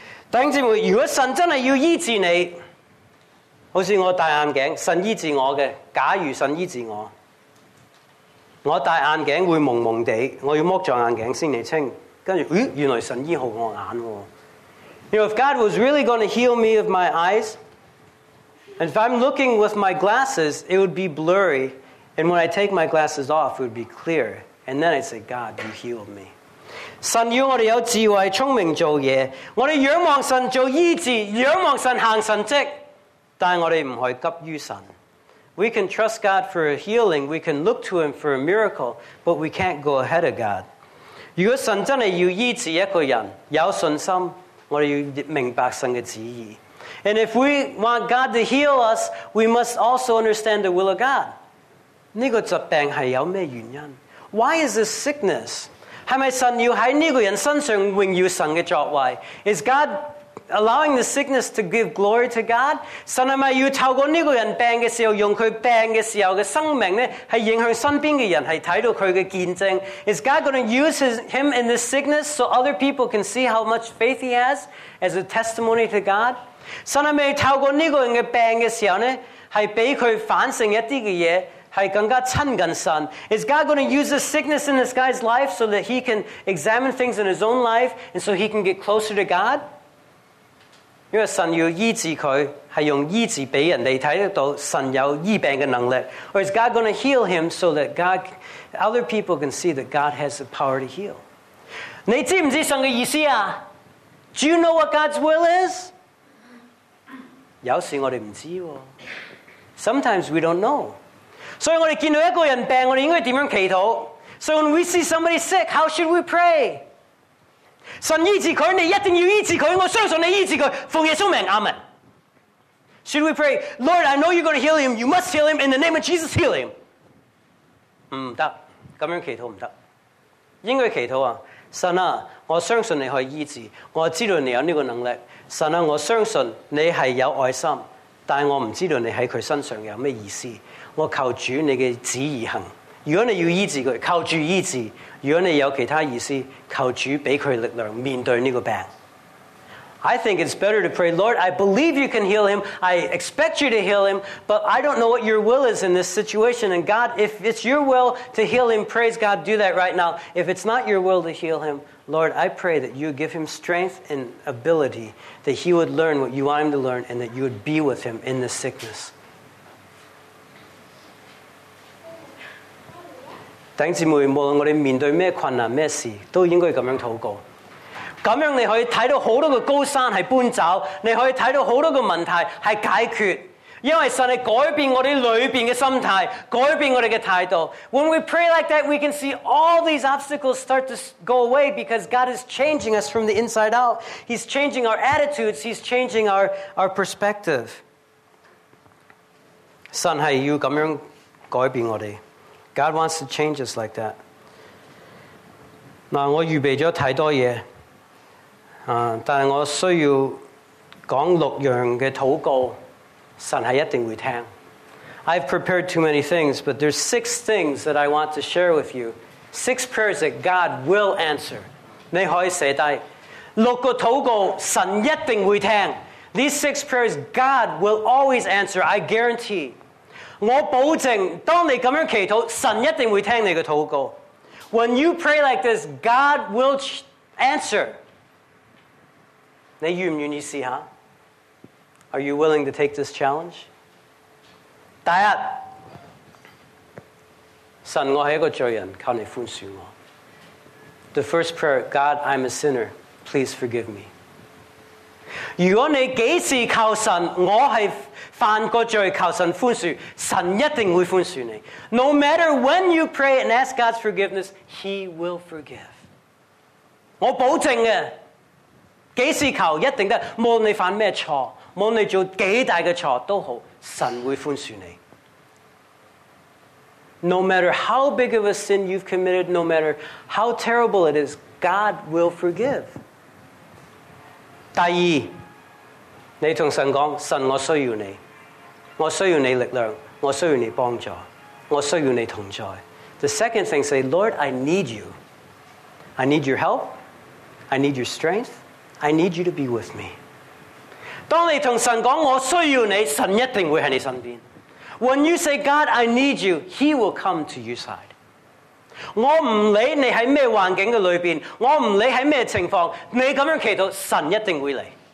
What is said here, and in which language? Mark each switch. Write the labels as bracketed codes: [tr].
[zh] 弟兄姊妹，如果神真的要医治你，好似我戴眼镜，神医治我的，假如神医治我。我戴眼镜会蒙蒙地，我要摸着眼镜先嚟清。跟住，原来神医好我眼。 [en] You know, if God was really going to heal me of my eyes, and if I'm looking with my glasses, it would be blurry, and when I take my glasses off, it would be clear. And then I'd say, God, you healed me. [zh] 神要我哋有智慧、聪明做嘢，我哋仰望神做医治，仰望神行神迹，但我哋唔可以急于神。 [en] We can trust God for a healing. We can look to Him for a miracle, but we can't go ahead of God. [zh] 如果神真的要医治一个人，有信心，我们要明白神的旨意。 [en] And if we want God to heal us, we must also understand the will of God. [zh] 这个疾病是有什么原因？ [en] Why is this sickness? [zh] 是不是神要在这个人身上荣耀神的作为？ [en] Is God... Allowing the sickness to give glory to God? [zh] 神是不是要透过这个人病的时候用他病的时候的生命呢是影响身边的人是看到他的见证 [en] Is God going to use him in this sickness so other people can see how much faith he has as a testimony to God? [zh] 神是不是透过这个人的病的时候呢是被他反省一些的事是更加亲近神 [en] Is God going to use the sickness in this guy's life so that he can examine things in his own life and so he can get closer to God? [zh] 因为神要医治他，是用医治给人家看得到神有医病的能力。 [en] Or is God going to heal him so that God, other people can see that God has the power to heal? [zh] 你知不知道神的意思啊？ [en] Do you know what God's will is? [zh] 有时我们不知道。 [en] Sometimes we don't know. [zh] 所以我们见到一个人病，我们应该怎样祈祷？ [en] So when we see somebody sick, how should we pray? [zh] 神医治他，你一定要医治他，我相信你医治他，奉耶稣名，阿们。 [en] Should we pray, Lord, I know you're going to heal him, you must heal him, in the name of Jesus, heal him. [zh] 不行，这样祈祷不行。应该祈祷啊，神啊，我相信你可以医治，我知道你有这个能力，神啊，我相信你是有爱心，但我不知道你在他身上有什么意思，我求主你的旨意行。如果你要医治他，靠主医治；如果你有其他意思，靠主给他力量面对这个病。 [en] I think it's better to pray, Lord, I believe you can heal him, I expect you to heal him, but I don't know what your will is in this situation. And God, if it's your will to heal him, praise God, do that right now. If it's not your will to heal him, Lord, I pray that you give him strength and ability, that he would learn what you want him to learn, and that you would be with him in this sickness. [zh] 弟兄姊妹，无论我们面对什么困难什么事，都应该这样祷告。这样你可以看到很多的高山是搬走，你可以看到很多的问题是解决，因为神是改变我们里面的心态，改变我们的态度。 [en] When we pray like that, we can see all these obstacles start to go away because God is changing us from the inside out. He's changing our attitudes, He's changing our perspective. [zh] 神是要这样改变我们。 [en] God wants to change us like that. [zh] 我预备了太多东西，但是我需要讲六样的祷告，神是一定会听。 [en] I've prepared too many things, but there's six things that I want to share with you. Six prayers that God will answer. [zh] 你可以写下六个祷告，神一定会听。 [en] These six prayers God will always answer, I guarantee. [zh] 我保证，当你这样祈祷，神一定会听你的祷告。 [en] When you pray like this, God will answer. [zh] 你愿不愿意试下？ [en] Are you willing to take this challenge? [zh] 第一，神，我是一个罪人，求你宽恕我。 [en] The first prayer, God, I'm a sinner, please forgive me. [zh] 如果你几次求神，我是犯过罪，求神宽恕，神一定会宽恕你。 [en] No matter when you pray and ask God's forgiveness, He will forgive. [zh] 我保证的，几次求一定得，无论你犯什么错，无论你做几大的错都好，神会宽恕你。 [en] No matter how big of a sin you've committed, no matter how terrible it is, God will forgive. [zh] 第二，你同神讲，神，我需要你。我需要你力量，我需要你帮助，我需要你同在。 [en] The second thing, say, Lord, I need you. I need your help. I need your strength. I need you to be with me. [zh] 当你同神讲我需要你，神一定会在你身边。 [en] When you say, God, I need you, He will come to your side. [zh] 我不理你在什么环境的里面，我不理在什么情况，你这样祈祷，神一定会来。